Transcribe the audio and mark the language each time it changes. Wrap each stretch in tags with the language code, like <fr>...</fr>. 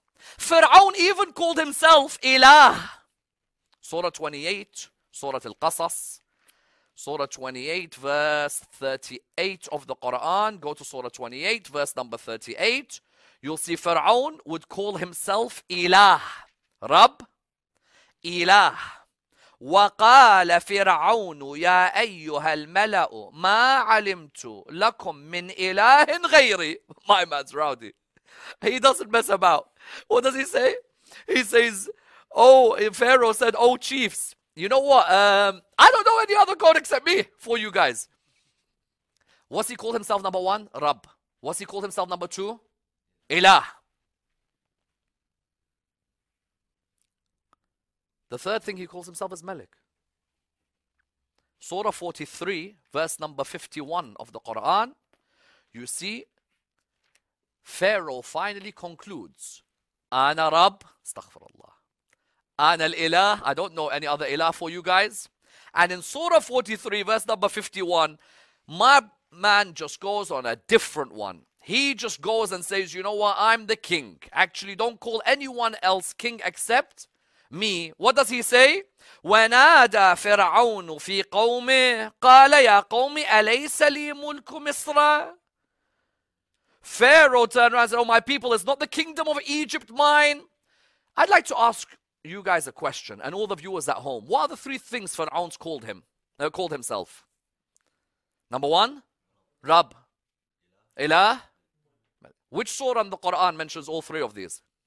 <en>Pharaoh even called himself Ilah. Surah 28, Surah Al-Qasas. Surah 28, verse 38 of the Quran. Go to Surah 28, verse number 38. You'll see Fir'aun would call himself Ilah. Rab, Ilah.</en> <ar>وقال فرعون يا أيها الملأ ما علمت لكم من إله غيري.</ar> <en>My man's rowdy. He doesn't mess about. What does he say? He says, oh, Pharaoh said, oh, chiefs. You know what? I don't know any other God except me for you guys. What's he called himself, number one? Rab. What's he called himself, number two? Ilah. The third thing he calls himself is Malik. Surah 43, verse number 51 of the Quran. You see, Pharaoh finally concludes, Ana Rab, Astaghfirullah.</en> <ar>أنا الإله.</ar> <en>I don't know any other إله for you guys. And in Surah 43, verse number 51, my man just goes on a different one. He just goes and says, you know what? I'm the king. Actually, don't call anyone else king except me. What does he say?</en> <ar>ونادى فرعون في قومه قال يا قوم أليس لي ملك مصر</ar> <en>Pharaoh turned around and said, "Oh, my people, is not the kingdom of Egypt mine?" I'd like to ask you guys a question and all the viewers at home. What are the three things Pharaoh called him, called himself? Number one, Rab. Ilah. Which surah in the Quran mentions all three of these?</en>